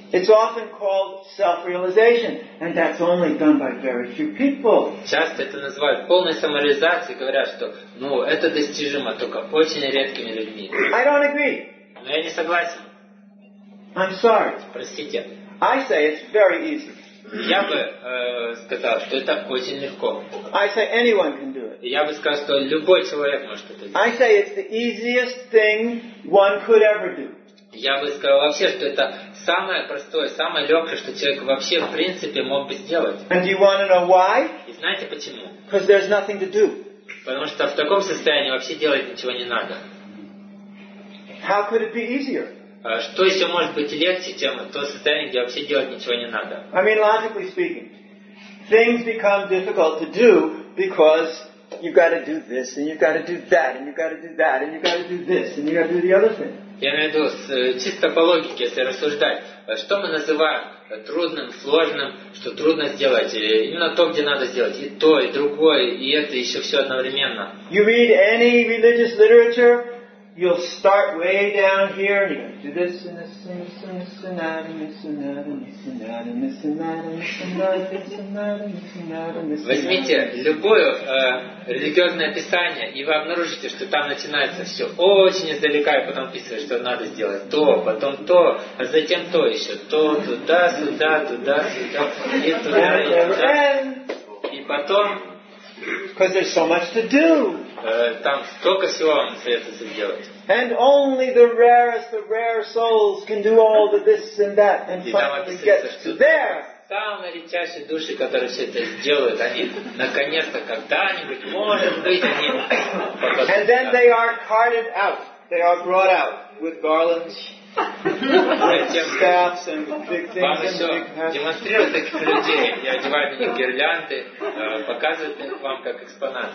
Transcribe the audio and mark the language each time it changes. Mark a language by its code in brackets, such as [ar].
[ru] Часто это называют полной самореализацией, говорят, что ну, это достижимо только очень редкими людьми. [en] I don't agree. [ru] Но я не согласен. [en] I'm sorry. [ru] Простите. [en] I say it's very easy. [ru] Я бы сказал, что это очень легко. [en] I say anyone can do it. [ru] Я бы сказал, что любой человек может это делать. [en] I say it's the easiest thing one could ever do. [ru] Я бы сказал вообще, что это самое простое, самое легкое, что человек вообще в принципе мог бы сделать. [en] And do you want to know why? [ru] И знаете почему? [en] Because there's nothing to do. [ru] Потому что в таком состоянии вообще делать ничего не надо. [en] How could it be easier? [ru] Что еще может быть легче, чем то состояние, где вообще делать ничего не надо? [en] I mean, logically speaking, things become difficult to do because you've got to do this, and you've got to do that, and you've got to do that, and you've got to do this, and you've got to do the other thing. [ru] Я имею в виду, чисто по логике, если рассуждать, что мы называем трудным, сложным, что трудно сделать, именно то, где надо сделать, и то, и другое, и это, и еще все одновременно. [en] You read any religious literature? you'll start way down here, and you do this and this and this and this and that and this and that and this and that and this and that and this and that and this and that and this and that and this. [ru] Возьмите любое религиозное писание, и вы обнаружите, что там начинается все очень издалека, и потом писывается, что надо сделать то, потом то, а затем то еще, то туда, сюда, туда, сюда, и туда, и туда, и потом. [en] Because there's so much to do. [ru] Там столько всего вам советуется делать. [en] And only the rare souls can do all the this and that and finally get to there. [ru] Самые редчайшие души, которые все это сделают, они наконец-то когда-нибудь может быть они. [en] And then they are carted out. They are brought out with garlands. Staffs and big things. [ru] Демонстрируют таких людей и одевают на них гирлянды, показывают их вам как экспонат.